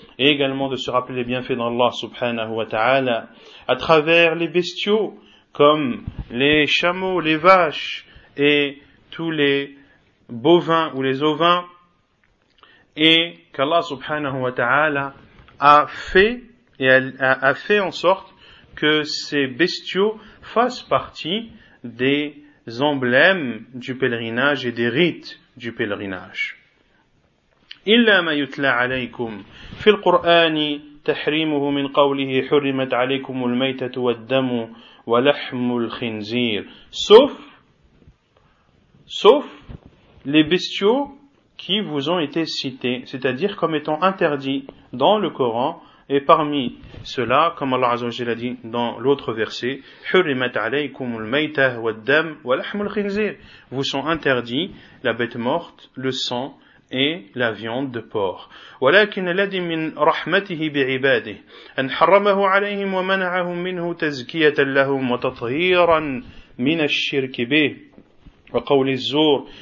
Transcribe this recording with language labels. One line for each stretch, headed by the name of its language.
French: Et également de se rappeler les bienfaits d'Allah subhanahu wa ta'ala à travers les bestiaux comme les chameaux, les vaches et tous les bovins ou les ovins, et qu'Allah subhanahu wa ta'ala a fait en sorte que ces bestiaux fassent partie des emblèmes du pèlerinage et des rites du pèlerinage.
Arabic: إلا ما يتلى عليكم في القرآن تحريمه من قوله حرمت عليكم الميتة والدم ولحم الخنزير.
French: Sauf les bestiaux qui vous ont été cités, c'est-à-dire comme étant interdits dans le Coran, et parmi cela, comme Allah Azza wa Jalla dit dans l'autre verset,
Arabic: حرمت عليكم الميتة والدم ولحم الخنزير.
French: Vous sont interdits la bête morte, le sang et la viande de porc.
Arabic: ولكن الذي من رحمته بعباده أن حرمه عليهم ومنعهم منه تزكية لهم وتطهيرا من الشرك به وقول الزور.